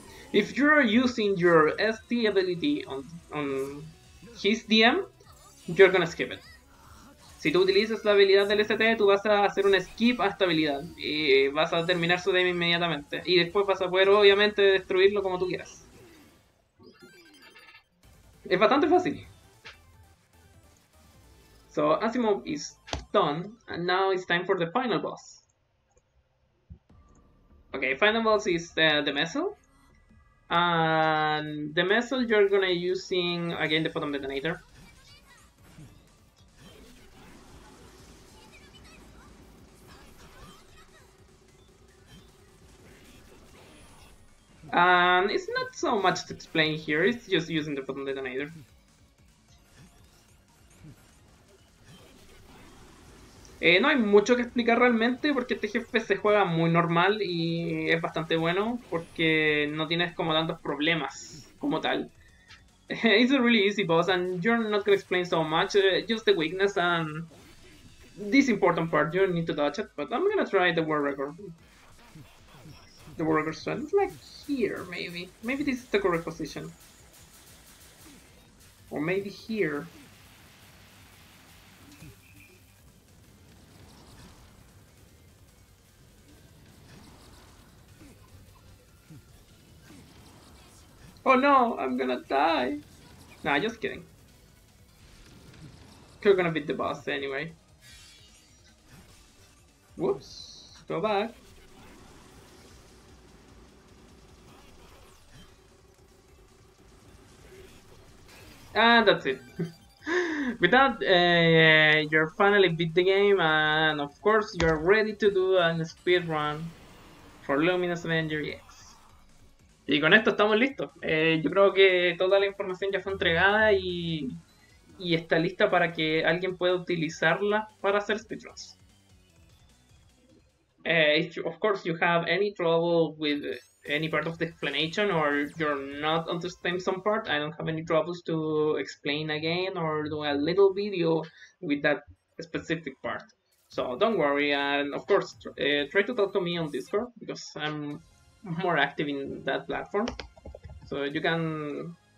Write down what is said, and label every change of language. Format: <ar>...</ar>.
<en>If you are using your ST ability on his DM, you're gonna skip it.</en> <es>Si tú utilizas la habilidad del ST, tú vas a hacer un skip a esta habilidad y vas a terminar su DM inmediatamente. Y después vas a poder, obviamente, destruirlo como tú quieras. Es bastante fácil.</es> <en>So, Asimov is done, and now it's time for the final boss. Okay, final boss is the missile. And the missile you're gonna using again the photon detonator. And it's not so much to explain here, it's just using the photon detonator.</en> <es>No hay mucho que explicar realmente porque este jefe se juega muy normal y es bastante bueno porque no tienes como tantos problemas como tal.</es> <en>It's a really easy boss and you're not gonna explain so much, just the weakness and this important part, you don't need to touch it, but I'm gonna try the world record. The world record strat is like here, maybe. Maybe this is the correct position. Or maybe here. Oh no, I'm gonna die. Nah, just kidding. You're gonna beat the boss anyway. Whoops, go back. And that's it. With that, you're finally beat the game, and of course, you're ready to do a speed run for Luminous Avenger X.</en> <es>Y con esto estamos listos. Yo creo que toda la información ya fue entregada y está lista para que alguien pueda utilizarla para hacer speedruns.</es> <en>If you, of course, you have any trouble with any part of the explanation or you're not understanding some part, I don't have any troubles to explain again or do a little video with that specific part. So don't worry, and of course, try to talk to me on Discord because I'm more active in that platform, so you can.</en>